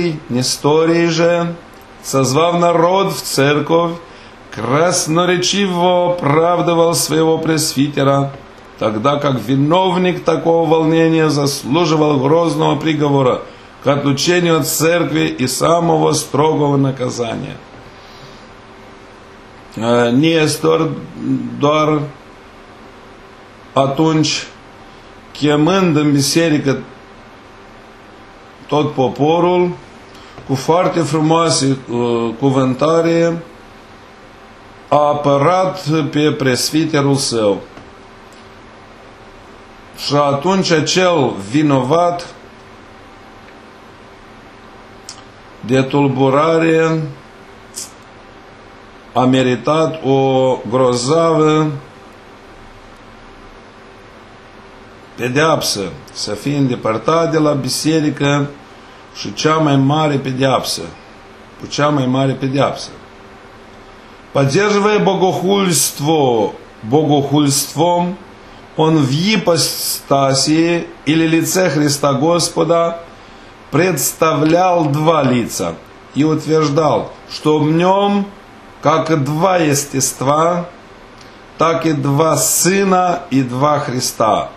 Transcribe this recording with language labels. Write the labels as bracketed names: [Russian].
[Russian] Nestorii же, созвав народ в церковь, красноречиво оправдывал своего пресвитера, тогда как виновник такого волнения заслуживал грозного приговора к отлучению от церкви и самого строгого наказания. [Romanian] Нестор doar atunci, chemând în biserică tot poporul, cu foarte frumoase cuvântare, a apărat pe presbiterul său. Și atunci acel vinovat de tulburare a meritat o grozavă pedeapsă, să fie îndepărtat de la biserică și cea mai mare pedeapsă, cu cea mai mare pedeapsă. [Russian] Поддерживая богохульство, богохульством, он в ипостаси или лице Христа Господа представлял два лица и утверждал, что в нем как два естества, так и два сына и два Христа.